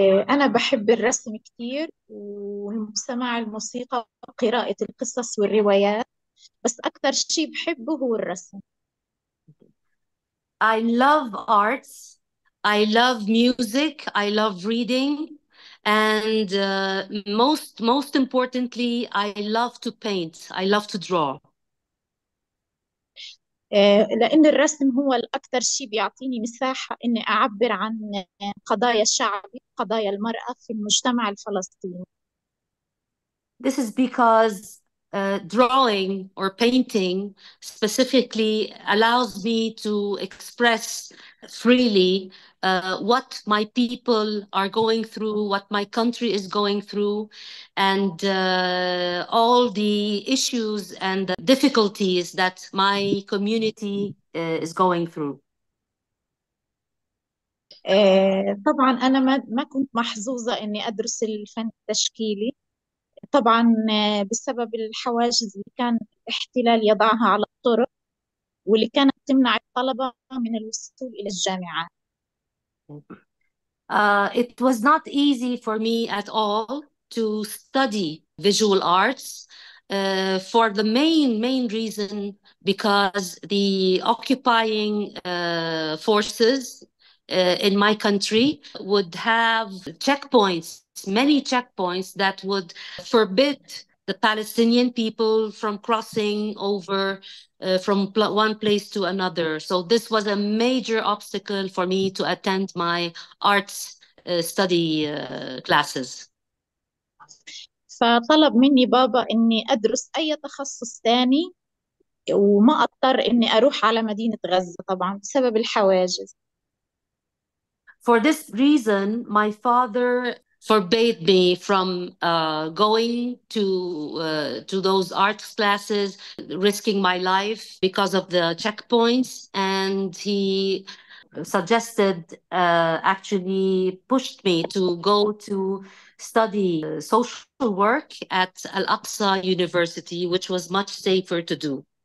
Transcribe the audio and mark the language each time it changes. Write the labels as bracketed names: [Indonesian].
[Arabic] أنا بحب الرسم كثير وسماع الموسيقى وقراءة القصص والروايات، بس أكثر شيء بحبه هو الرسم. [English] I love arts, I love music, I love reading, and most importantly, I love to paint, I love to draw. [Arabic] لأن الرسم هو الأكثر شيء بيعطيني مساحة إني أعبر عن قضايا الشعب، قضايا المرأة في المجتمع الفلسطيني. [English] This is because drawing or painting specifically allows me to express freely what my people are going through, what my country is going through, and all the issues and the difficulties that my community is going through. [Arabic] طبعا أنا ما كنت محظوظة إني أدرس الفن التشكيلي، طبعا بسبب الحواجز اللي كان الاحتلال يضعها على الطرق واللي كانت تمنع الطلبة من الوصول إلى الجامعات. [English] It was not easy for me at all to study visual arts for the main reason because the occupying forces in my country would have checkpoints, many checkpoints that would forbid the Palestinian people from crossing over from one place to another. So this was a major obstacle for me to attend my arts study classes. [Arabic] فطلب مني بابا إني أدرس أي تخصص ثاني وما أضطر إني أروح على مدينة غزة طبعاً بسبب الحواجز. [English] For this reason, my father forbade me from going to those art classes, risking my life because of the checkpoints. And he suggested, actually pushed me to go to study social work at Al-Aqsa University, which was much safer to do.